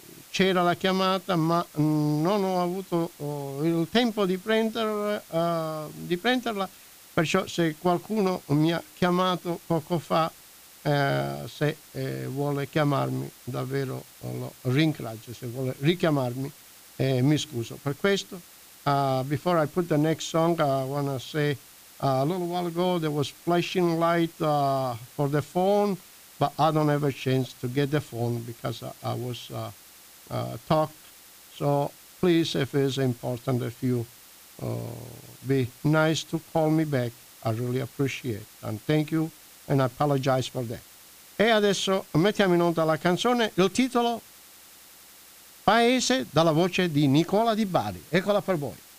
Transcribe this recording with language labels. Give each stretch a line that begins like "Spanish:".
Italian: c'era la chiamata, ma non ho avuto il tempo di prenderla, perciò se qualcuno mi ha chiamato poco fa, se vuole chiamarmi, davvero lo ringrazio, se vuole richiamarmi, mi scuso per questo.
English: Before I put the next song, I want to say a little while ago there was flashing light for the phone, but I don't have a chance to get the phone because I was talked. So please, if it's important, if you be nice to call me back, I really appreciate it. And thank you, and I apologize for that.
Italian: E adesso mettiamo in onda la canzone, il titolo Paese, dalla voce di Nicola Di Bari. Eccola per voi.